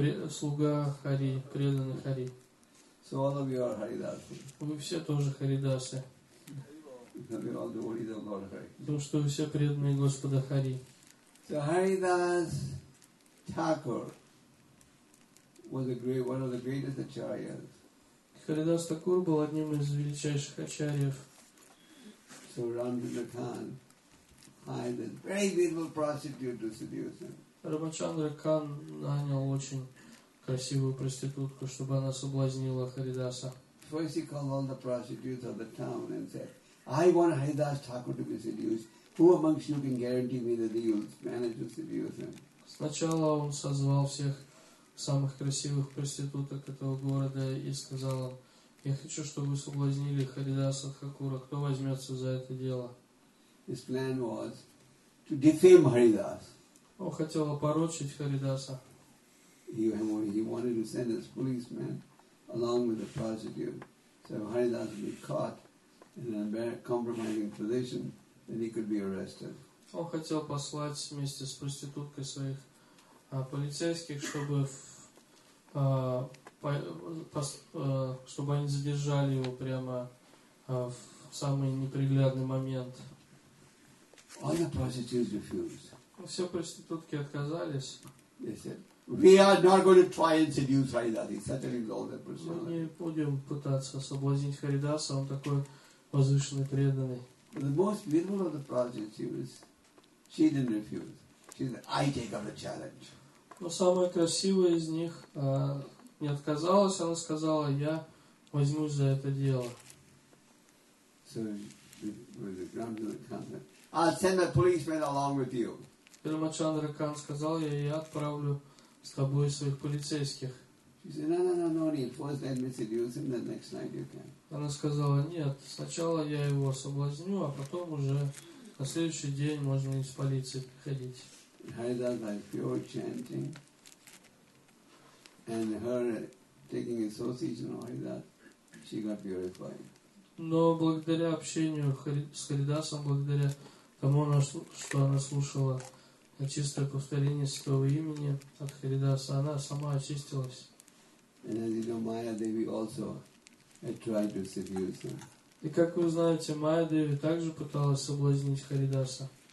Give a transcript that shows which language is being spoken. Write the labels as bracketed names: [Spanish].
[Russian] Слуга Хари, преданный Хари. [English] So all of you are Haridasa. [Russian] Вы все тоже Харидасы. Потому что вы все преданные Господа Хари. [English] So Haridas Thakur was one of the greatest acharyas. [Russian] Харидас Тхакур был одним из величайших ачарьев. [English] So Ramchandra Khan hired a very beautiful prostitute to seduce him. [Russian] Рамачандра Кан нанял очень красивую проститутку, чтобы она соблазнила Харидаса. [English] First he called all the prostitutes of the town and said, I want Haridas Thakur to be seduced. Who amongst you can guarantee me that he will manage to seduce him? [Russian] Сначала он созвал всех самых красивых проституток этого города и сказал им, я хочу, чтобы вы соблазнили Харидаса Тхакура. Кто возьмется за это дело? [English] His plan was to defame Haridas. [Russian] Он хотел опорочить Харидаса. [English] He wanted to send his policeman along with the prostitute. So Haridas would be caught in a compromising position and he could be arrested. [Russian] Он хотел послать вместе с проституткой своих полицейских, чтобы чтобы они задержали его прямо в самый неприглядный момент. [English] All the prostitutes refused. [Russian] Все проститутки отказались. [English] They said, "We are not going to try and seduce Haridasa. He's such an exalted person." [Russian] Мы не будем пытаться соблазнить Харидаса. Он такой возвышенный, преданный. [English] The most beautiful of the prostitutes, she didn't refuse. She said, "I take up the challenge." [Russian] Но самая красивая из них не отказалась. Она сказала, "Я возьмусь за это дело." [English] So the grandmother comes. I'll send a policeman along with you. [Russian] Пирамачандра Кан сказал ей, я отправлю с тобой своих полицейских. [English] She said, no, need. First let me seduce him, then next night you can. [Russian] Она сказала, нет, сначала я его соблазню, а потом уже на следующий день можно из полиции приходить. [English] Haridas had pure chanting, and her taking association with Haridas, she got purified. [Russian] Но благодаря общению с Харидасом, благодаря тому, что она слушала чистое повторение святого имени от Харидаса, она сама очистилась. И как вы знаете, Майя Деви также пыталась соблазнить Харидаса.